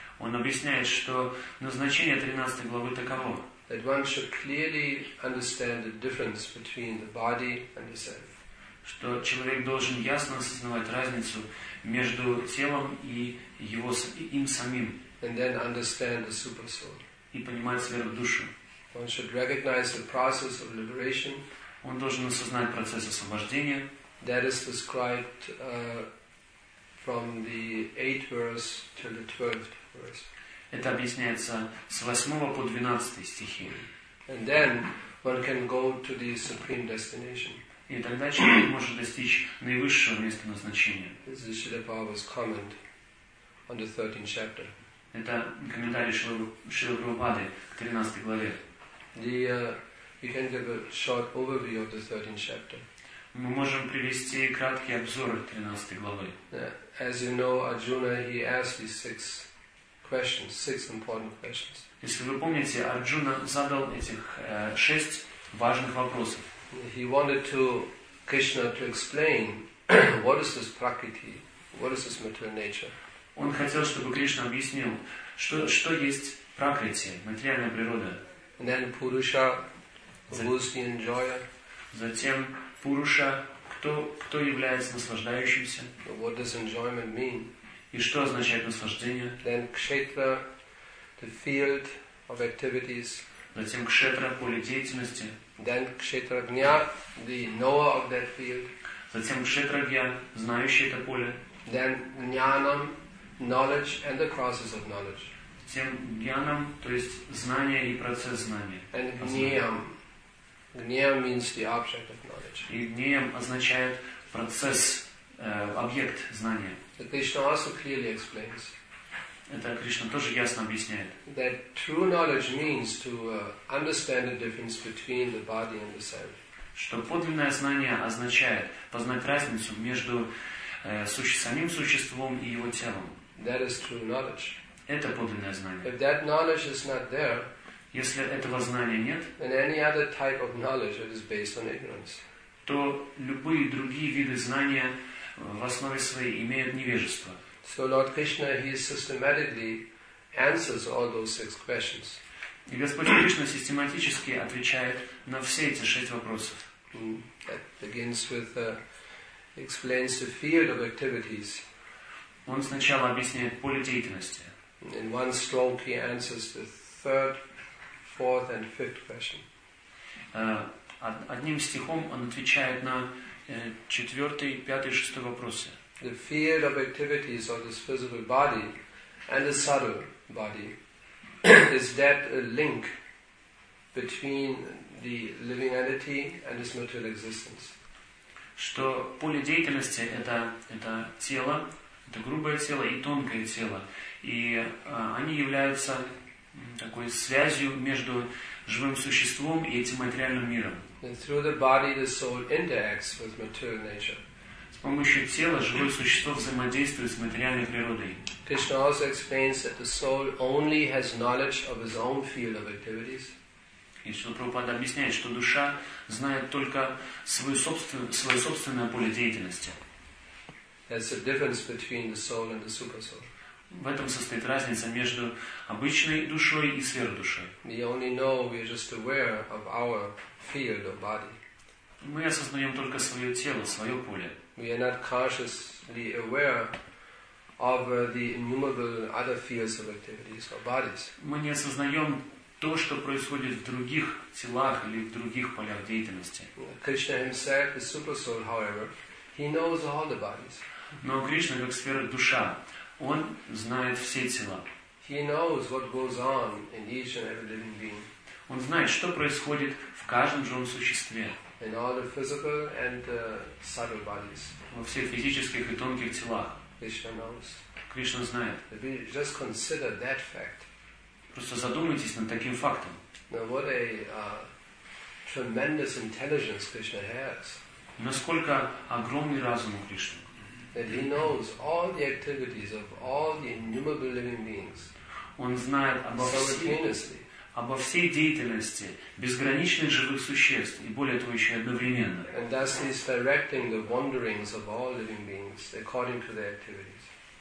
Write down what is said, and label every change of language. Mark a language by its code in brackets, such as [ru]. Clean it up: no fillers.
[ru] Он объясняет, что назначение 13 главы таково. [en] That one should clearly understand the difference between the body and the self. [ru] Что человек должен ясно осознавать разницу между телом и его им самим. [en] And then understand the super soul. [ru] И понимать сверхдушу. [en] One should recognize the process of liberation. [ru] Он должен осознать процесс освобождения. [en] That is described from the 8th verse to the 12th verse. [ru] Это объясняется с 8 по 12 стихи. [en] And then one can go to the supreme destination. [ru] И тогда человек может достичь наивысшего места назначения. [en] This is Srila Prabhupada's comment on the 13th chapter. [ru] Это комментарий Шрила Прабхупады к 13 главе. [en] We can give a short overview of the 13th chapter. [ru] Мы можем привести краткий обзор 13 главы. [en] As you know, Arjuna he asked these six important questions. [ru] Если вы помните, Арджуна задал этих шесть важных вопросов. [en] He wanted to Krishna to explain what is this prakriti, what is this material nature. [ru] Он хотел, чтобы Кришна объяснил, что есть пракрити, материальная природа. [en] And then Пуруша, Вусни и Джоя. [ru] Затем Пуруша, кто является наслаждающимся. [en] What does enjoyment mean? [ru] И что означает наслаждение? [en] Then Кшетра, the field of activities. [ru] Затем Кшетра, поле деятельности. [en] Then Кшетра Гня, the knower of that field. [ru] Затем Кшетра Гня, знающий это поле. [en] Then Гнянам, knowledge and the process of knowledge. [ru] Затем Гнянам, то есть знание и процесс знания. [en] And Гнеям. Гнеям means the object of knowledge. [ru] И Гнеям означает процесс, объект знания. [en] That Krishna also clearly explains. [ru] Это Кришна тоже ясно объясняет. [en] That true knowledge means to understand the difference between the body and the self. [ru] Что подлинное знание означает познать разницу между самим существом и его телом. [en] That is true knowledge. [ru] Это подлинное знание. [en] If that knowledge is not there, [ru] если этого знания нет, [en] then any other type of knowledge is based on ignorance. [ru] То любые другие виды знания в основе своей имеют невежество. [en] So Lord Krishna, he systematically answers all those six questions. [ru] И Господь Кришна систематически отвечает на все эти шесть вопросов. [en] That begins with explains the field of activities. [ru] Он сначала объясняет поле деятельности. [en] In one stroke he answers the third, fourth, and fifth question. [ru] Одним стихом он отвечает на четвертый, пятый, шестой вопросы. [en] The field of activities of this physical body and the subtle body is that a link between the living entity and its material existence? [ru] Что поле деятельности это тело, это грубое тело и тонкое тело, и они являются такой связью между живым существом и этим материальным миром. [en] And through the body, the soul interacts with material nature. [ru] С помощью тела живое существо взаимодействует с материальной природой. [en] Krishna also explains that the soul only has knowledge of his own field of activities. [ru] И Шрила Прабхупада объясняет, что душа знает только свое собственное поле деятельности. [en] That's the difference between the soul and the super soul. [ru] В этом состоит разница между обычной душой и сверхдушой. [en] We only know, we are just aware of our field of body. [ru] Мы осознаем только свое тело, свое поле. [en] We are not consciously aware of the innumerable other fields of activities or bodies. [ru] Мы не осознаем то, что происходит в других телах или в других полях деятельности. [en] Krishna himself, the super soul, however, he knows all the bodies. [ru] Но Кришна, как сфера душа, он знает все тела. [en] He knows what goes on in each and every living being. [ru] Он знает, что происходит в каждом живом существе. [en] In all the physical and subtle bodies. [ru] Во всех физических и тонких телах. [en] Krishna knows. [ru] Кришна знает. [en] Just consider that fact. [ru] Просто задумайтесь над таким фактом. [en] Now what a tremendous intelligence Krishna has. [ru] Насколько огромный разум у Кришны. [en] That he knows all the activities of all the innumerable living beings. [ru] Он знает обо всей деятельности безграничных живых существ и более того еще одновременно. [en] And thus he is directing the wanderings of all living beings according to their activities.